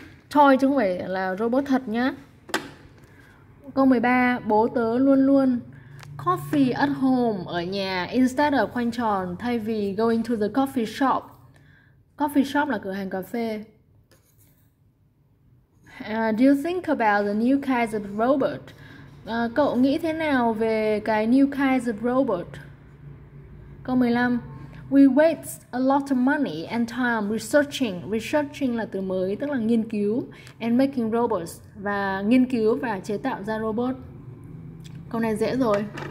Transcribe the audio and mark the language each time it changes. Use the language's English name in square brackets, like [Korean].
[Vietnamese] Thôi chứ không phải là robot thật nhá. Câu 13, bố tớ luôn luôn [English] coffee at home, [Vietnamese] ở nhà, instead of quanh tròn, thay vì [English] going to the coffee shop. [Vietnamese] Coffee shop là cửa hàng cà phê. [English] Do you think about the new kinds of robot? [Vietnamese] Cậu nghĩ thế nào về cái [English] new kinds of robot? [Vietnamese] Câu 15, [English] we waste a lot of money and time researching. [Vietnamese] Researching là từ mới, tức là nghiên cứu, [English] and making robots, [Vietnamese] và nghiên cứu và chế tạo ra robot. Câu này dễ rồi.